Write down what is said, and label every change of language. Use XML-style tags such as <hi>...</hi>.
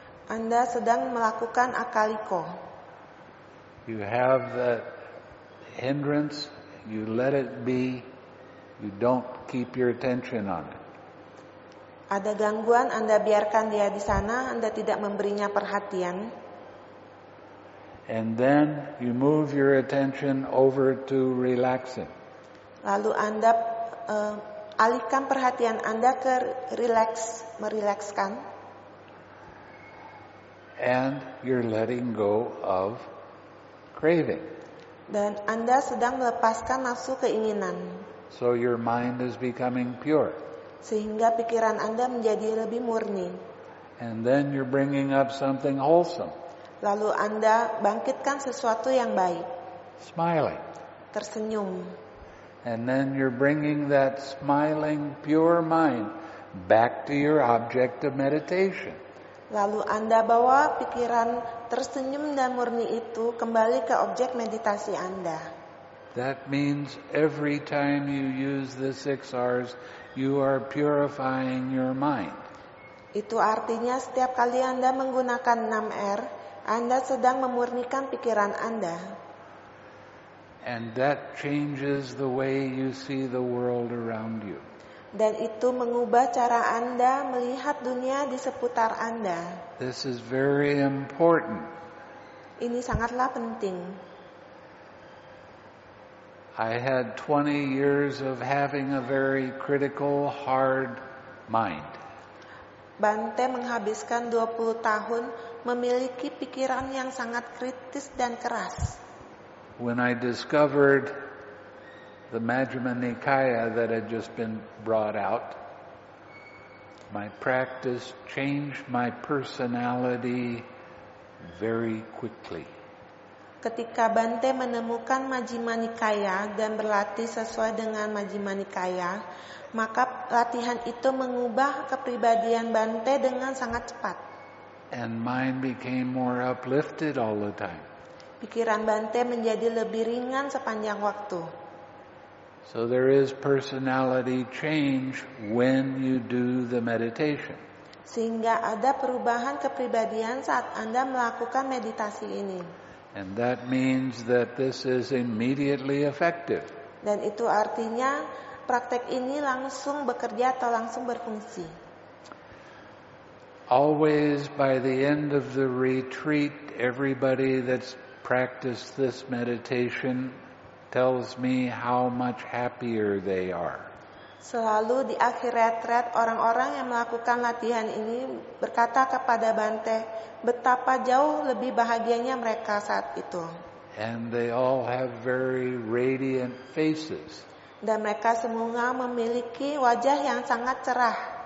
<id>Anda sedang melakukan akaliko.</id> <en>You have the hindrance, you let it be, you don't keep your attention on it.</en> <id>Ada gangguan, Anda biarkan dia di sana, Anda tidak memberinya perhatian.</id> <en>And then you move your attention over to relaxing.</en> <id>Lalu Anda alihkan perhatian Anda ke relax, merilekskan.</id> <en>And you're letting go of craving.</en> <id>Dan Anda sedang melepaskan nafsu keinginan.</id> <en>So your mind is becoming pure.</en> <id>Sehingga pikiran Anda menjadi lebih murni.</id> <en>And then you're bringing up something wholesome.</en> <id>Lalu Anda bangkitkan sesuatu yang baik.</id> <en>Smiling.</en> <id>Tersenyum.</id> <en>And then you're bringing that smiling pure mind back to your object of meditation.</en> <id>Lalu Anda bawa pikiran tersenyum dan murni itu kembali ke objek meditasi Anda.</id> <en>That means every time you use the 6Rs, you are purifying your mind.</en> <id>Itu artinya setiap kali Anda menggunakan 6R, Anda sedang memurnikan pikiran Anda.</id> <en>And that changes the way you see the world around you.</en> <id>Dan itu mengubah cara Anda melihat dunia di seputar Anda.</id> <en>This is very important.</en> <id>Ini sangatlah penting.</id> <en>I had 20 years of having a very critical, hard mind.</en> <id>Bante menghabiskan 20 tahun memiliki pikiran yang sangat kritis dan keras.</id> <en>When I discovered the Majjhima Nikaya that had just been brought out, my practice changed my personality very quickly.</en> <id>Ketika Bante menemukan Majjhima Nikaya dan berlatih sesuai dengan Majjhima Nikaya, maka latihan itu mengubah kepribadian Bante dengan sangat cepat.</id> <en>And mind became more uplifted all the time.</en> <id>Pikiran Bante menjadi lebih ringan sepanjang waktu.</id> <en>So there is personality change when you do the meditation.</en> <id>Sehingga ada perubahan kepribadian saat Anda melakukan meditasi ini.</id> <en>And that means that this is immediately effective.</en> <id>Dan itu artinya praktek ini langsung bekerja atau langsung berfungsi.</id> <en>Always by the end of the retreat, everybody that's practiced this meditation tells me how much happier they are.</en> <id>Selalu di akhir retret, orang-orang yang melakukan latihan ini berkata kepada Bante betapa jauh lebih bahagianya mereka saat itu.</id> <en>And they all have very radiant faces.</en> <id>Dan mereka semua memiliki wajah yang sangat cerah.</id>